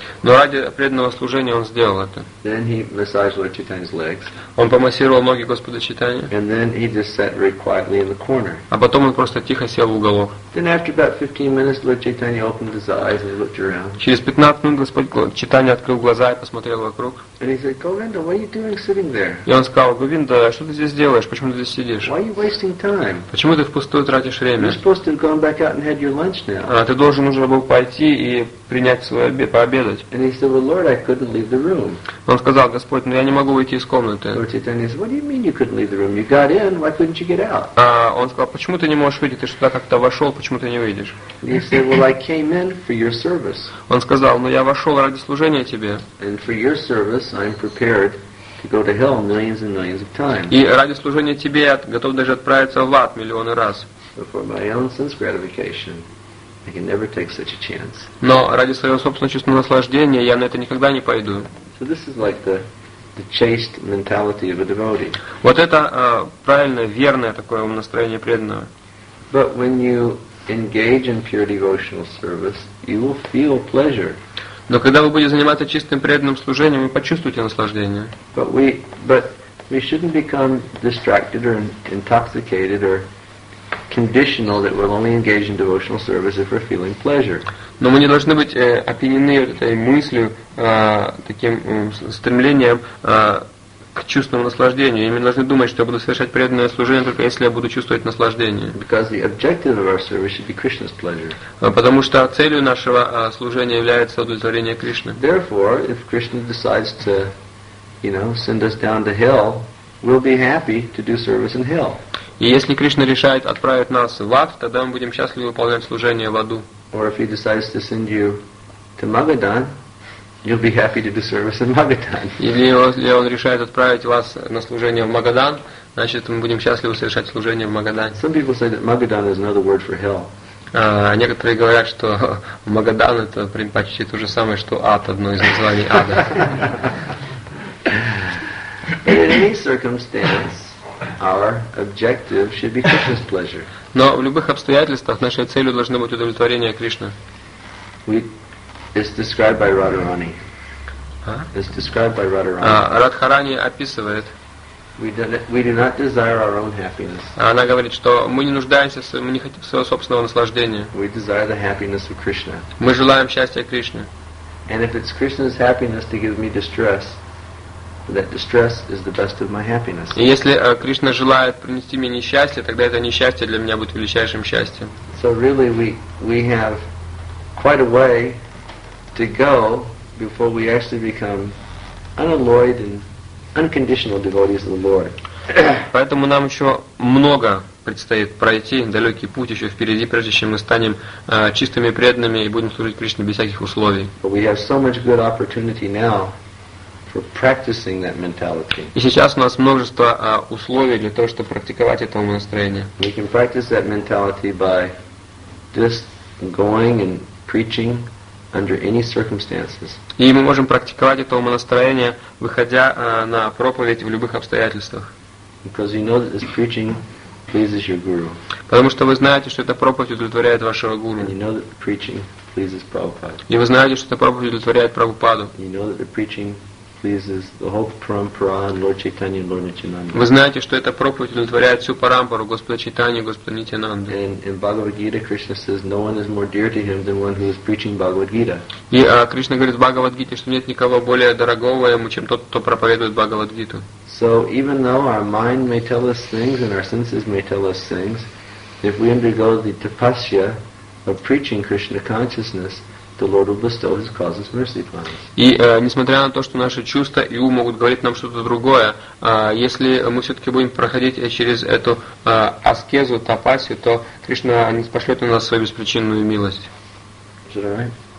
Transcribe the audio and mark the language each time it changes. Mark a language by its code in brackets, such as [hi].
[ru] Но ради преданного служения он сделал это. [en] Then he massaged Lord Chaitanya's legs. [ru] Он помассировал ноги Господа Чайтаньи. [en] And then he just sat very quietly in the corner. [ru] А потом он просто тихо сел в уголок. [en] Then after about 15 minutes, Lord Chaitanya opened his eyes and looked around. [ru] Через 15 минут Господь Чайтанья открыл глаза и посмотрел вокруг. [en] And he said, Govinda, what are you doing sitting there? [ru] И он сказал, Говинда, что ты здесь делаешь? Почему ты здесь сидишь? [en] Why are you wasting time? [ru] Почему ты впустую тратишь время? [en] You're supposed to have gone back out and had your lunch now. [ru] Ты должен уже был пойти и принять свой обед, пообедать. [en] And he said, well, Lord, I couldn't leave the room. [ru] Он сказал, Господь, ну я не могу выйти из комнаты. [en] Lord Chaitanya said, what do you mean you couldn't leave the room? You got in, why couldn't you get out? [ru] Он сказал, почему ты не можешь выйти? Ты же туда как-то вошел, почему ты не выйдешь? [en] He said, well, I came in for your service. [ru] Он сказал, ну я вошел ради служения тебе. [en] And for your service, I'm prepared to go to hell millions and millions of times. [ru] И ради служения тебе я готов даже отправиться в ад миллионы раз. [en] But for my own sense gratification, I can never take such a chance. [ru] Но ради своего собственного чувства наслаждения я на это никогда не пойду. [en] So this is like the chaste mentality of a devotee. [ru] Вот это правильное, верное такое настроение преданного. [en] But when you engage in pure devotional service, you will feel pleasure. [ru] Но когда вы будете заниматься чистым преданным служением, вы почувствуете наслаждение. [en] But we shouldn't become distracted or intoxicated or conditional that we'll only engage in devotional service if we're feeling pleasure. [ru] Но мы не должны быть опьянены этой мыслью, таким стремлением к чувственному наслаждению. И мы должны думать, что я буду совершать преданное служение только если я буду чувствовать наслаждение. [en] Because the objective of our service should be Krishna's pleasure. [ru] Потому что целью нашего служения является удовлетворение Кришны. [en] Therefore, if Krishna decides to, you know, send us down to hell, we'll be happy to do service in hell. [ru] И если Кришна решает отправить нас в ад, тогда мы будем счастливы выполнять служение в аду. [en] Or if he decides to send you to Magadhan, you'll be happy to do service in Magadhan. [ru] Если он решает отправить вас на служение в Магадан, значит мы будем счастливы совершать служение в Магадане. [en] Some people say that Magadan is another word for hell. [ru] Некоторые говорят, что Магадан это почти то же самое, что ад, одно из названий ада. [en] In any circumstance, our objective should be Krishna's pleasure. [ru] Но в любых обстоятельствах нашей целью должно быть удовлетворение Кришны. [en] We It's described by Radharani. It's described by Radharani. [ru] Радхарани описывает. [en] We do not desire our own happiness. [ru] Она говорит, что мы не нуждаемся, мы не хотим своего собственного наслаждения. [en] We desire the happiness of Krishna. [ru] Мы желаем счастья Кришны. [en] And if it's Krishna's happiness to give me distress, that distress is the best of my happiness. [ru] И если Кришна желает принести мне несчастье, тогда это несчастье для меня будет величайшим счастьем. [en] So really we have quite a way to go before we actually become unalloyed and unconditional devotees of the Lord. [ru] Поэтому нам еще много предстоит пройти, далекий путь еще впереди, прежде чем мы станем чистыми преданными и будем служить Кришне без всяких условий. [en] But we have so much good opportunity now for practicing that mentality. [ru] И сейчас у нас множество условий для того, чтобы практиковать это умонастроение. [en] We can practice that mentality by just going and preaching under any circumstances. [ru] И мы можем практиковать это умонастроение, выходя на проповедь в любых обстоятельствах. [en] Because you know that this preaching pleases your guru. [ru] Потому что вы знаете, что эта проповедь удовлетворяет вашего гуру. [en] And you know that the preaching pleases Prabhupada. [ru] И вы знаете, что эта проповедь удовлетворяет Прабхупаду. [en] You know that the preaching pleases the whole parampara and Lord Chaitanya and Lord Nityananda. [ru] Вы знаете, что эта проповедь удовлетворяет всю парампару Господа Чайтанью, Господа Нитянанды. [en] And in Bhagavad Gita, Krishna says, no one is more dear to him than one who is preaching Bhagavad Gita. [ru] И Кришна говорит в Бхагавад Гите, что нет никого более дорогого ему, чем тот, кто проповедует Бхагавад Гиту. [en] So even though our mind may tell us things and our senses may tell us things, if we undergo the tapasya of preaching Krishna consciousness, the Lord will bestow His causeless mercy upon us. [ru] И несмотря на то, что наши чувства и ум могут говорить нам что-то другое, если мы все-таки будем проходить через эту аскезу, тапасию, то Кришна не пошлет на нас свою беспричинную милость. [en] Is that right?